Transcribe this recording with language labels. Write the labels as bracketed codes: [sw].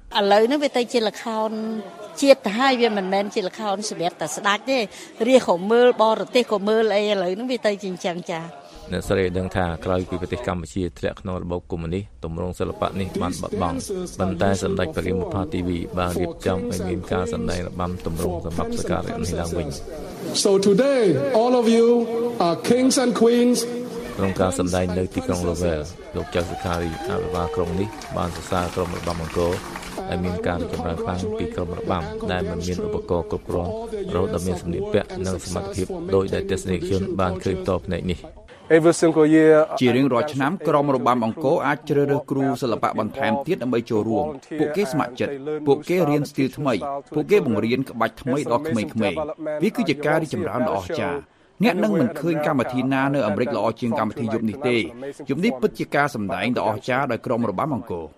[km] ឥឡូវនេះវាទៅជាល្ខោនជាតិទៅហើយវាមិនមែនជាល្ខោនសម្រាប់តែស្ដាច់ទេរាជក៏មើលបរទេសក៏មើលអីឥឡូវនេះវាទៅជាអញ្ចឹងចា អ្នកស្រីដឹងថាក្រោយពីប្រទេសកម្ពុជាធ្លាក់ក្នុងរបបកុម្មុយនីសទម្រង់សិល្បៈនេះបានបាត់បង់ប៉ុន្តែសម្ដេចព្រះរាជាទីវីបានរៀបចំឲ្យមានការសម្ដែងរបាំទម្រង់សម្រាប់សក្ការៈនេះឡើងវិញ [en] So today all of you are kings and queens [km] ក្រុមការសម្ដែងនៅទីក្រុង Lowell លោកចៅសុខារីអភិបាលក្រុងនេះបានសរសើរក្រុមរបាំអង្គរហើយមានការចម្រើនខ្លាំងពីក្រុមរបាំដែលមានឧបករណ៍គ្រប់គ្រាន់រហូតដល់មានសម្ភារៈនិងសមត្ថភាពដោយដែលទស្សនិកជនបានឃើញតបផ្នែកនេះ ជារៀងរាល់ឆ្នាំក្រុមរបាំអង្គរអាចជ្រើសរើសគ្រូសិល្បៈបន្ថែមទៀតដើម្បីចូលរួមពួកគេស្ម័គ្រចិត្តពួកគេរៀនស្ទីលថ្មីពួកគេបង្រៀនក្បាច់ថ្មីដល់ក្មេងៗវាគឺជាការរីកចម្រើនដ៏អស្ចារ្យអ្នកនឹងមិនឃើញកម្មវិធីណានៅអាមេរិកល្អជាងកម្មវិធីយប់នេះទេយប់នេះពិតជាការសម្ដែងដ៏អស្ចារ្យដោយក្រុមរបាំអង្គរ